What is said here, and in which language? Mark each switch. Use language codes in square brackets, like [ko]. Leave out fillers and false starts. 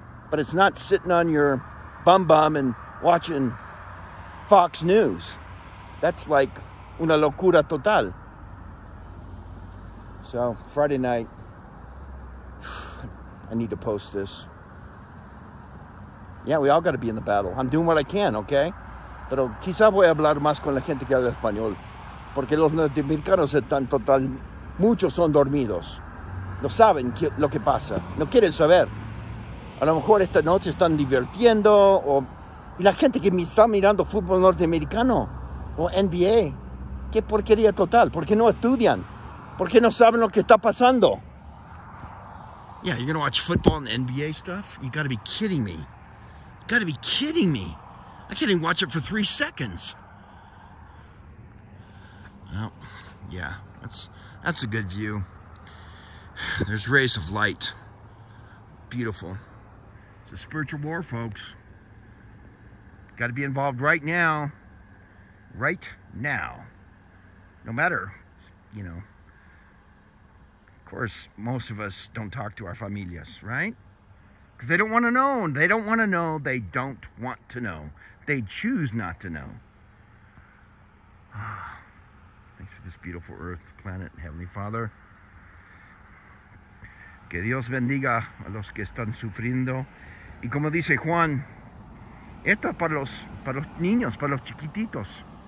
[en] But it's not sitting on your bum and watching Fox News. That's like [es] una locura total. [en] So, Friday night, I need to post this. Yeah, we all got to be in the battle. I'm doing what I can, okay? [es] Pero quizá voy a hablar más con la gente que habla español. Porque los norteamericanos están total... Muchos son dormidos. No saben lo que pasa. No quieren saber. A lo mejor esta noche están divirtiendo o... Y la gente que me está mirando fútbol norteamericano o NBA. ¡Qué porquería total! ¿Por qué no estudian? ¿Por qué no saben lo que está pasando? [en] Yeah, you're gonna watch football and NBA stuff? You gotta be kidding me. You gotta be kidding me. I can't even watch it for 3 seconds. Well, yeah, that's a good view. There's rays of light. Beautiful. It's a spiritual war, folks. Gotta be involved right now. Right now. No matter, you know. Of course, most of us don't talk to our familias, right? Because they don't want to know. They don't want to know. They don't want to know. They choose not to know. Thanks for this beautiful earth, planet, and Heavenly Father. [es] Que Dios bendiga a los que están sufriendo. Y como dice Juan, esto es para los niños, para los chiquititos.